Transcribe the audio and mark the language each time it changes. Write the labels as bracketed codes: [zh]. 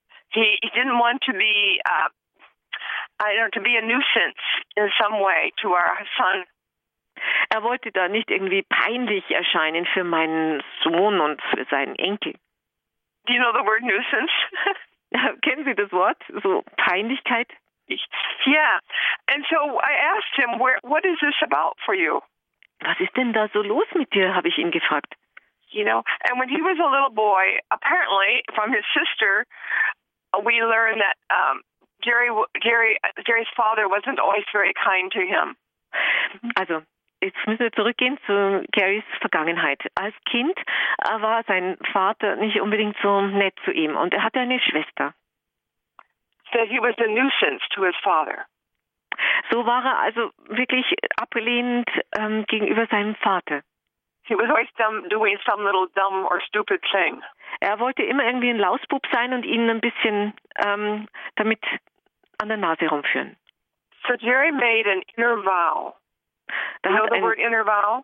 [en] He didn't want to be to be a nuisance in some way to our son. [de] Er wollte da nicht irgendwie peinlich erscheinen für meinen Sohn und für seinen Enkel. [en] Do you know the word nuisance? [de] Kennen Sie das Wort? So Peinlichkeit? [en] Yeah. And so I asked him, what is this about for you? [de] Was ist denn da so los mit dir, habe ich ihn gefragt. [en] You know, and when he was a little boy, apparently from his sister, we learned that Jerry's father wasn't always very kind to him. [de] Also, jetzt müssen wir zurückgehen zu Jerrys Vergangenheit. Als Kind war sein Vater nicht unbedingt so nett zu ihm und er hatte eine Schwester. [en] That he was a nuisance to his father. [de] So war er also wirklich ablehnend gegenüber seinem Vater. [en] He was always doing some little dumb or stupid thing. [de] Er wollte immer irgendwie ein Lausbub sein und ihn ein bisschen damit an der Nase rumführen. [en] So Jerry made an inner vow. [de] Da [en] you know the word inner vow?